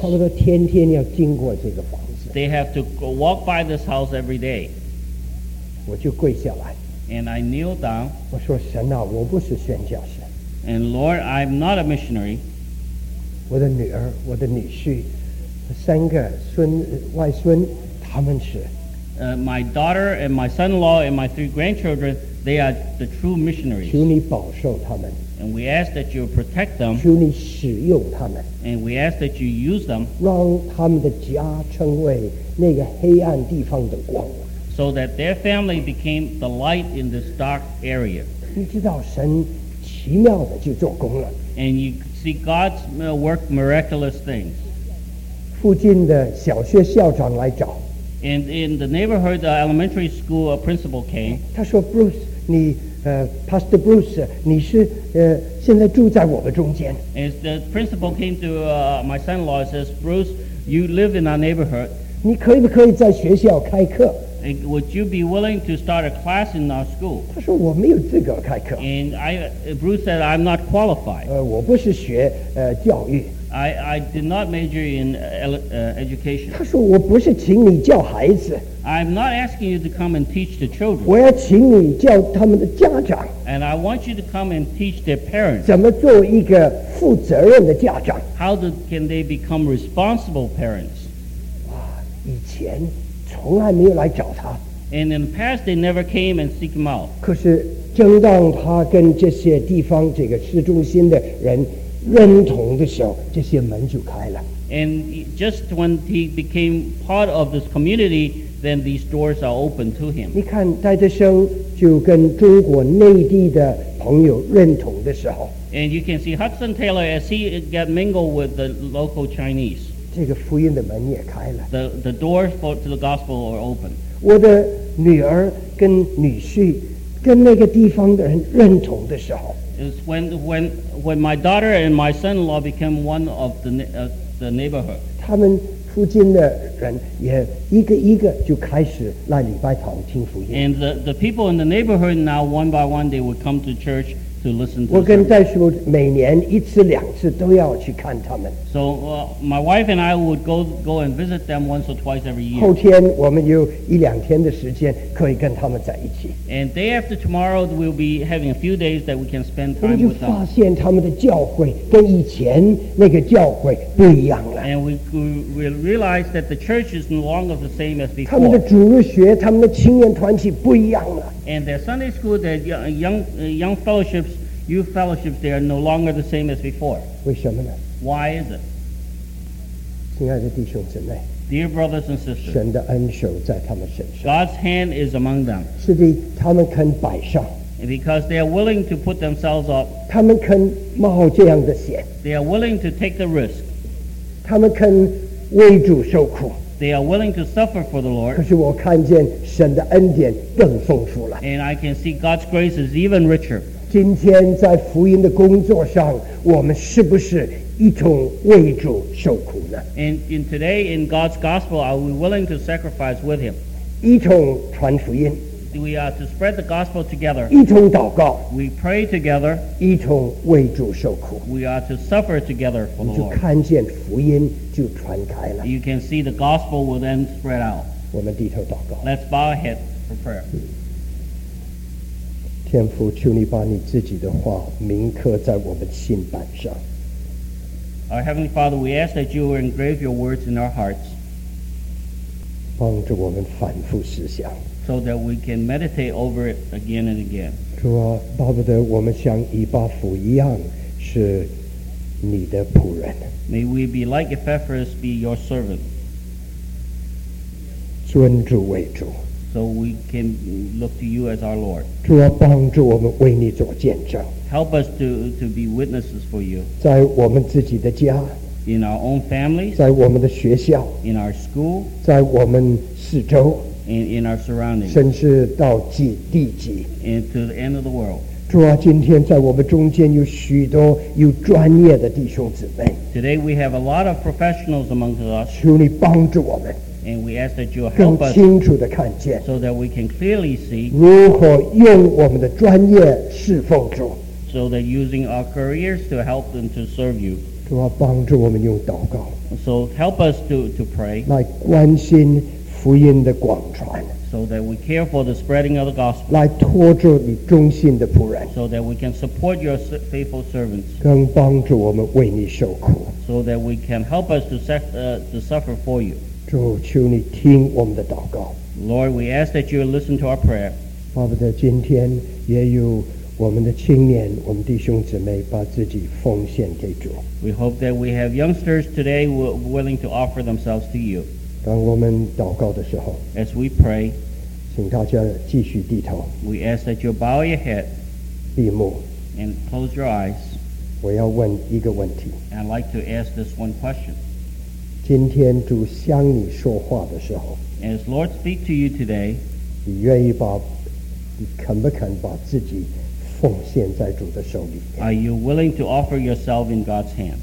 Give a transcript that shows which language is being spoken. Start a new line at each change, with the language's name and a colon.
Chinese: 他们都天天要经过这个房子,
English: they have to walk by this house every day.
Chinese: 我就跪下来,
English: and I kneel down.
Chinese: 我说神啊, 我不是宣教士,
English: and Lord, I'm not a missionary.
Chinese: 我的女儿, 我的女婿, 三个孙, 外孙, 他们是,
English: my daughter and my son-in-law and my three grandchildren, they are the true missionaries.
Chinese: 求你保守他们,
English: and we ask that you protect them.
Chinese: 求你使用他们,
English: and we ask that you use them.
Chinese: 让他们的家成为那个黑暗地方的光,
English: so that their family became the light in this dark area.
Chinese: 你知道神起,奇妙的就做工了。
English: And you see God's work miraculous things.
Chinese: 附近的小学校长来找。
English: And in the neighborhood elementary school, a principal came.
Chinese: 他说 ，Bruce， 你Pastor Bruce， 你是现在住在我们中间。
English: And the principal came to my son-in-law and says, Bruce, you live in our neighborhood.
Chinese: 你可以不可以在学校开课？
English: Would you be willing to start a class in our school?
Chinese: 他说我没有资格开课。
English: And Bruce said, I'm not qualified.
Chinese: 我不是学教育。
English: I did not major in education.
Chinese: 他说我不是请你教孩子。
English: I'm not asking you to come and teach the children.
Chinese: 我要请你教他们的家长。
English: And I want you to come and teach their parents.
Chinese: 怎么做一个负责任的家长。
English: How can they become responsible parents?
Chinese: 哇，以前从来没有来找他。
English: And in the past, they never came and seek him out.
Chinese: 可是正当他跟这些地方这个市中心的人认同的时候，这些门就开了。
English: And just when he became part of this community, then these doors are open to him.
Chinese: 你看戴德生就跟中国内地的朋友认同的时候。
English: And you can see Hudson Taylor as he got mingled with the local Chinese.
Chinese: 这个福音的门也开了。
English: The doors to the gospel are open.
Chinese: 我的女儿跟女婿跟那个地方的人认同的时候。
English: Is when my daughter and my son-in-law became one of the neighborhood.
Chinese: 他们附近的人也一个一个就开始来礼拜堂听福音。
English: And the people in the neighborhood now, one by one, they would come to church to listen to.
Chinese: 我跟戴叔每年一次两次都要去看他们。
English: So my wife and I would go and visit them once or twice every year.
Chinese: 后天我们有一两天的时间可以跟他们在一起。
English: And day after tomorrow, we'll be having a few days that we can spend time with
Chinese: 我们就发现他们的教会跟以前那个教会不一样了。
English: And we realize that the church is no longer the same as before.
Chinese: 他们的主日学，他们的青年团体不一样了。
English: And their Sunday school, their young fellowships, youth fellowships, they are no longer the same as before.
Chinese: 为什么呢？
English: Why is it?
Chinese: 亲爱的弟兄姊妹,
English: Dear brothers and sisters,
Chinese: 神的恩手在他们身上,
English: God's hand is among them.
Chinese: 是的, 他们肯摆上,
English: because they are willing to put themselves up.
Chinese: 他们肯冒这样的险,
English: they are willing to take the risk.
Chinese: 他们肯为主受苦,
English: they are willing to suffer for the Lord.
Chinese: 可是我看见神的恩典更丰富了,
English: and I can see God's grace is even richer.
Chinese: 今天在福音的工作上, 我们是不是一同为主受苦呢?
English: And in today, in God's gospel, are we willing to sacrifice with him?
Chinese: 一同传福音。
English: We are to spread the gospel together.
Chinese: 一同祷告。
English: We pray together.
Chinese: 一同为主受苦。
English: We are to suffer together for the Lord.
Chinese: 你就看见福音就传开了。
English: You can see the gospel will then spread out.
Chinese: 我们低头祷告。
English: Let's bow our head for prayer.
Chinese: 天父，求你把你自己的话铭刻在我们心板上。
English: Our Heavenly Father, we ask that you will engrave your words in our hearts
Chinese: 帮助我们反复思想
English: so that we can meditate over it again and again.
Chinese: 主啊，巴不得我们像以巴弗一样是你的仆人。
English: May we be like Epaphras, be your servant.
Chinese: 尊主为主。
English: So we can look to you as our Lord.
Chinese: 主啊，帮助我们为你做见证。
English: Help us to be witnesses for you.
Chinese: 在我们自己的家,
English: in our own families,
Chinese: 在我们的学校,
English: in our school,
Chinese: 在我们四周,
English: in our surroundings,
Chinese: 甚至到极地极,
English: and to the end of the world.
Chinese: 主啊, 今天在我们中间有许多有专业的弟兄姊妹。
English: Today we have a lot of professionals among us.
Chinese: 求你帮助我们。
English: And we ask that you help us
Chinese: 更清楚地看见,
English: so that we can clearly see
Chinese: 如何用我们的专业侍奉主。
English: So that using our careers to help them to serve you.
Chinese: 主啊，帮助我们用祷告。
English: So help us to pray.
Chinese: 来关心福音的广传。
English: So that we care for the spreading of the gospel.
Chinese: 来托住你忠心的仆人。
English: So that we can support your faithful servants.
Chinese: 更帮助我们为你受苦。
English: So that we can help us to suffer for you.
Chinese: 主，求你听我们的祷告。
English: Lord, we ask that you listen to our prayer.
Chinese: 巴不得今天也有我们的青年，我们弟兄姊妹把自己奉献给主。
English: We hope that we have youngsters today willing to offer themselves to you.
Chinese: 当我们祷告的时候
English: ，As we pray，
Chinese: 请大家继续低头。
English: We ask that you bow your head，
Chinese: 闭目。
English: And close your eyes.
Chinese: 我要问一个问题。
English: And I'd like to ask this one question.
Chinese: 今天主向你说话的时候。
English: As Lord speak to you today,
Chinese: 你愿意把，你肯不肯把自己奉献在主的手里？
English: Are you willing to offer yourself in God's hand?